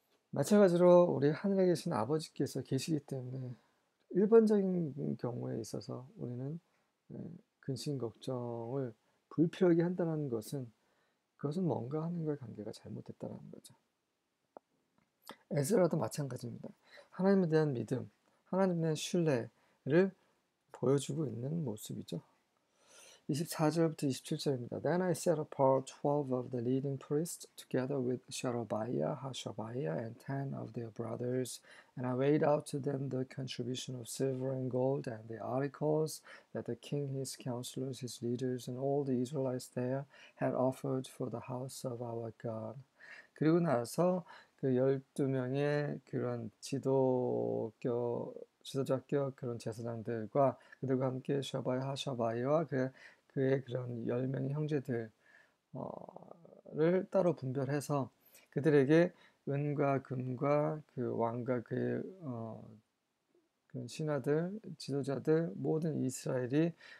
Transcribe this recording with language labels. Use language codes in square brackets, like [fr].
[ko] 마찬가지로 우리 하늘에 계신 아버지께서 계시기 때문에 일반적인 경우에 있어서 우리는 근심 걱정을 불필요하게 한다는 그것은 뭔가 하나님과의 관계가 잘못됐다는 거죠. 에스라도 마찬가지입니다. 하나님에 대한 믿음, 하나님에 대한 신뢰를 보여주고 있는 모습이죠. 24절부터 27절입니다. [en] Then I set apart 12 of the leading priests together with Sherebiah, Hashabiah, and 10 of their brothers, and I weighed out to them the contribution of silver and gold, and the articles that the king, his counselors, his leaders, and all the Israelites there had offered for the house of our God. [ko] 그리고 나서 그 12명의 그런 지도자격 그런 제사장들과 그들과 함께 Sherebiah, Hashabiah와 그의 그런 10명의 형제들을 따로 분별해서 그들에게 은과 금과 그 왕과 그 신하들, 지도자들, 모든 이스라엘이